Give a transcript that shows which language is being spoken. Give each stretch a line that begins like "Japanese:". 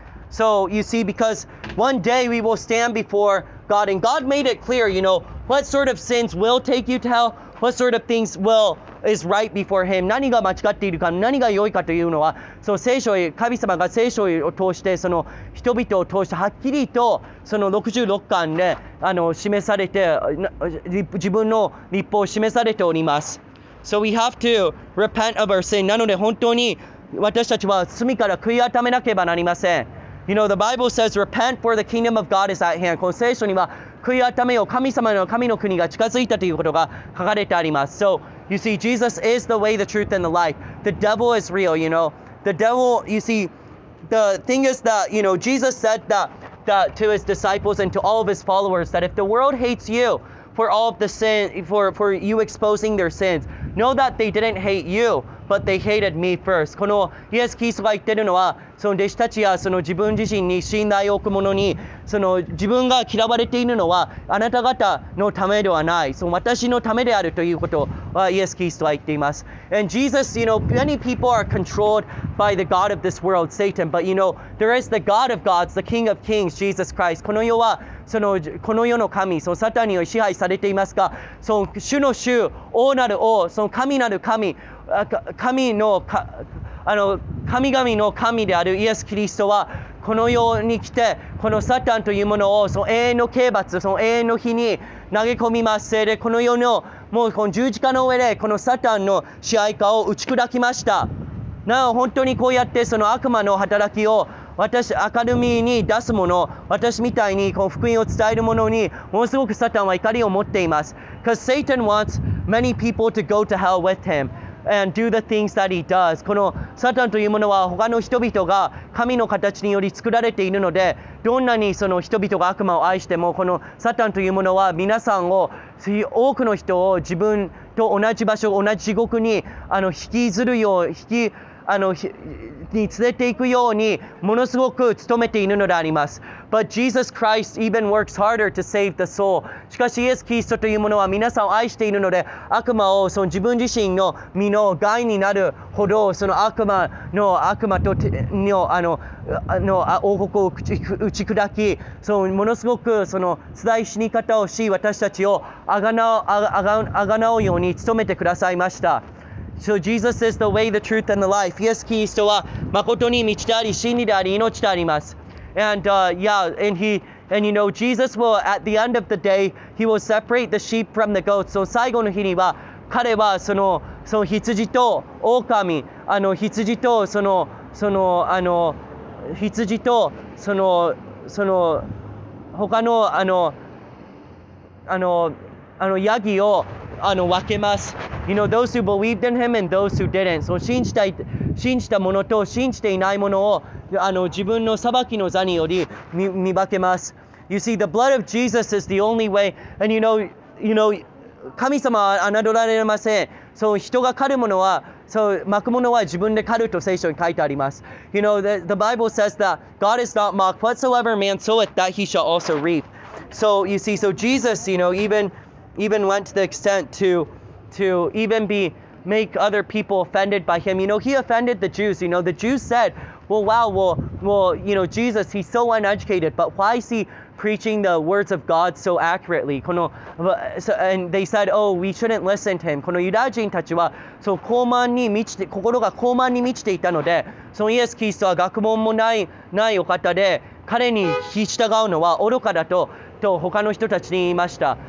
English: So you see, because one day we will stand before God, and God made it clear, you know, what sort of sins will take you to hell, what sort of things will is right before Him.
Japanese: 何が間違っているか、何が良いかというのは、その聖書、神様が聖書を通して、その人々を通してはっきりとその66巻で示されて、自分の立法を示されております。
English: So we have to repent of our sin.
Japanese: なので本当に私たちは罪から悔い改めなければなりません。
English: You know, the Bible says, repent for the kingdom of God is at hand.
Japanese: この聖書には、悔い改めよ、神の国が近づいたということが書かれてあります。
English: So, you see, Jesus is the way, the truth, and the life. The devil is real, you know. The devil, you see, the thing is that, you know, Jesus said that to his disciples and to all of his followers, that if the world hates you for all of the sin, for you exposing their sins, know that they didn't hate you. But they hated me first.
Japanese: このイエス・キリストが言ってるのは、その弟子たちやその自分自身に信頼を置く者に、その自分が嫌われているのはあなた方のためではない。その私のためであるということはイエス・キリストは言っています。
English: And Jesus, you know, many people are controlled by the God of this world, Satan. But you know, there is the God of gods, the King of kings, Jesus Christ.
Japanese: この世はそのこの世の神、そのサタンに支配されていますが、その主の主、王なる王、その神なる神、神々の神であるイエス・キリストはこの世に来て、このサタンというものをその永遠の刑罰、その永遠の火に投げ込みます。でこの世のもうこの十字架の上でこのサタンの支配下を打ち砕きました。なお本当にこうやってその悪魔の働きを私明るみに出すもの、私みたいにこの福音を伝えるものにものすごくサタンは怒りを持っています。
English: Because Satan wants many people to go to hell with himAnd do the things that he does.
Japanese: このサタンというものは他の人々が神の形により作られているので、どんなにその人々が悪魔を愛してもこのサタンというものは皆さんを多くの人を自分と同じ場所同じ地獄に引きずるよう引きに連れていくようにものすごく努めているのであります。
English: But Jesus Christ even works harder to save the soul.
Japanese: しかしイエス・キリストというものは皆さんを愛しているので、悪魔をその自分自身の身の害になるほどその悪魔とのあのあの王国を打ち砕き、そのものすごくその辛い死に方をし、私たちをあがなうように努めてくださいました。
English: So Jesus is the way, the truth, and the life.
Japanese: イエス・キリストは誠に道であり、真理であり、命であります。
English: And and you know, Jesus will, at the end of the day, he will separate the sheep from the goats.
Japanese: So 最後の日には、彼はその羊と狼、羊とその他のヤギを分けます。
English: You know, those who believed in him and those who didn't.
Japanese: その信じたものと信じていないものを自分の裁きの座により見分けます。
English: You see, the blood of Jesus is the only way. And you know,
Japanese: 神様は侮られません。そう、人が狩るものは、そう、巻くものは自分で狩ると聖書に書いてあります。
English: You know, the Bible says that God is not mocked. Whatsoever man soweth, that he shall also reap. So, you see, so Jesus, you know, even went to the extent to even be, make other people offended by him. You know, he offended the Jews. You know, the Jews said, well, Jesus, he's so uneducated, but why is he preaching the words of God so accurately? And they said, oh, we shouldn't listen to him.
Japanese: このユダヤ人たちは、心が高慢に満ちていたので、そのイエス・キリストは学問もないお方で、彼に引き従うのは愚かだと、他の人たちに言いました。